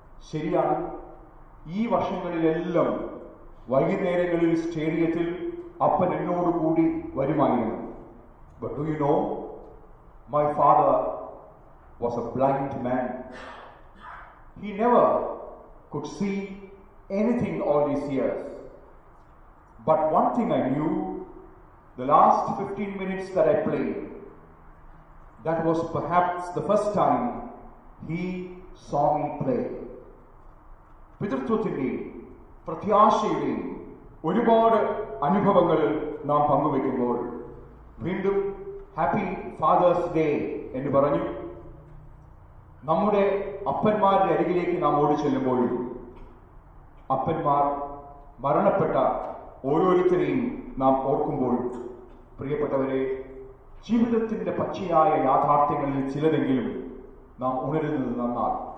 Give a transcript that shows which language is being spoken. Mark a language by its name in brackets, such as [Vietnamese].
[Malayalam] ശരിയാണ്, ഈ വർഷങ്ങളിലെല്ലാം വൈകുന്നേരങ്ങളിൽ സ്റ്റേഡിയത്തിൽ അപ്പൻ എന്നോടുകൂടി വരുമായിരുന്നു. [English] But do you know, my father was a blind man. He never could see anything all these years. But one thing I knew, the last 15 minutes that I played, that was perhaps the first time he saw me play. [Malayalam] പിതൃത്വത്തിന്റെയും പ്രത്യാശയുടെയും ഒരുപാട് അനുഭവങ്ങൾ നാം പങ്കുവെക്കുമ്പോൾ വീണ്ടും [English] happy Father's Day [Malayalam] എന്ന് പറഞ്ഞു നമ്മുടെ അപ്പന്മാരുടെ അരികിലേക്ക് നാം ഓടി ചെല്ലുമ്പോഴും അപ്പന്മാർ മരണപ്പെട്ട ഓരോരുത്തരെയും നാം ഓർക്കുമ്പോൾ, പ്രിയപ്പെട്ടവരെ, ജീവിതത്തിന്റെ പച്ചയായ യാഥാർത്ഥ്യങ്ങളിൽ ചിലതെങ്കിലും നാം ഉണരുന്നത് നന്നാൽ.